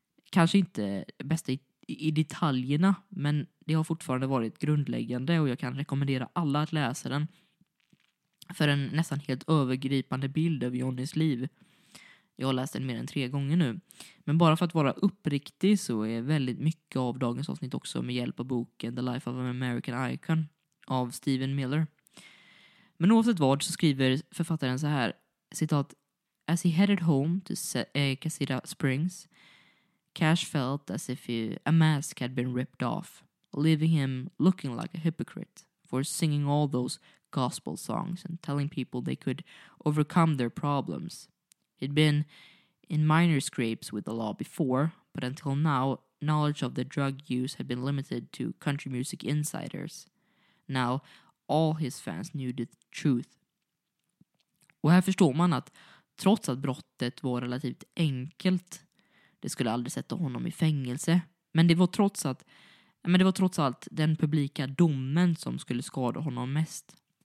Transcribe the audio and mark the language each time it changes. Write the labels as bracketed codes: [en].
[sv] Kanske inte bäst i detaljerna, men det har fortfarande varit grundläggande och jag kan rekommendera alla att läsa den för en nästan helt övergripande bild över Johnnys liv. Jag har läst den mer än 3 gånger nu. Men bara för att vara uppriktig så är väldigt mycket av dagens avsnitt också med hjälp av boken The Life of an American Icon av Stephen Miller. Men oavsett vad så skriver författaren så här, citat: [en] "As he headed home to Casita Springs, Cash felt as if a mask had been ripped off, leaving him looking like a hypocrite for singing all those gospel songs and telling people they could overcome their problems. He'd been in minor scrapes with the law before, but until now, knowledge of the drug use had been limited to country music insiders. Now, all his fans knew the truth." [sv] Och här förstår man att Trots att brottet var relativt enkelt. Det skulle aldrig sätta honom i fängelse. Men det var trots allt den publika domen som skulle skada honom mest.